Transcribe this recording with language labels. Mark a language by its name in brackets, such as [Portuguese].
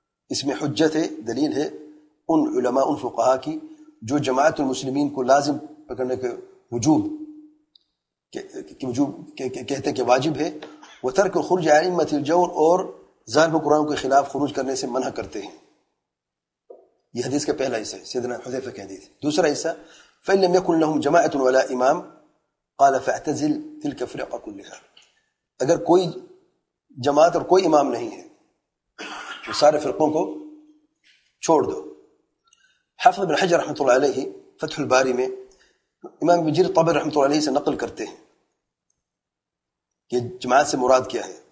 [Urdu] اس میں حجت دلیل ہے ان علماء ان فقہا کی جو جماعت المسلمین کو لازم پکڑنے کے وجوب کہتے ہیں کہ واجب ہے, وہ ترک خروج ائمۃ الجور اور ظاہر قرآن کے خلاف خروج کرنے سے منع کرتے ہیں. یہ حدیث کا پہلا حصہ ہے, سیدنا حذیفہ کی حدیث. دوسرا حصہ [Arabic] فإن لم يكن لهم جماعۃ ولا امام قال فاعتزل تلك الفرقة كلها. [Urdu] اگر کوئی جماعت اور کوئی امام نہیں ہے تو سارے فرقوں کو چھوڑ دو. حافظ ابن حجر رحمۃ اللہ علیہ فتح الباری میں امام ابن جریر طبری رحمۃ اللہ علیہ سے نقل کرتے ہیں کہ جماعت سے مراد کیا ہے.